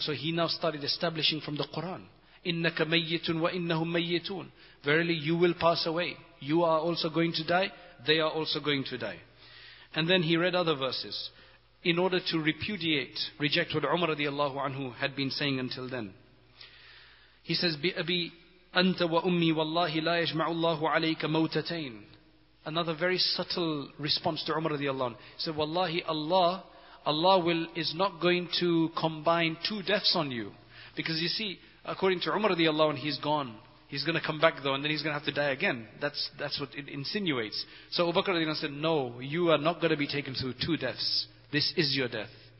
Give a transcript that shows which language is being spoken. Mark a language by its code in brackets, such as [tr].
[en] So he now started establishing from the Quran. [ar] Innaka mayyitun wa innahum mayyitun. [en] Verily, you will pass away. You are also going to die. They are also going to die. And then he read other verses in order to repudiate, reject what Umar radiallahu anhu had been saying until then. He says, [ar] بِأَبِي أَنْتَ وَأُمِّي وَاللَّهِ لَا يَجْمَعُ اللَّهُ عَلَيْكَ مَوْتَتَيْنَ. [en] Another very subtle response to Umar radiallahu anhu. He said, Wallahi, Allah is not going to combine two deaths on you. Because you see, according to Umar radiallahu anhu, he's gone. He's going to come back though, and then he's going to have to die again. That's what it insinuates. So Abu Bakr said, no, you are not going to be taken through two deaths. This is your death.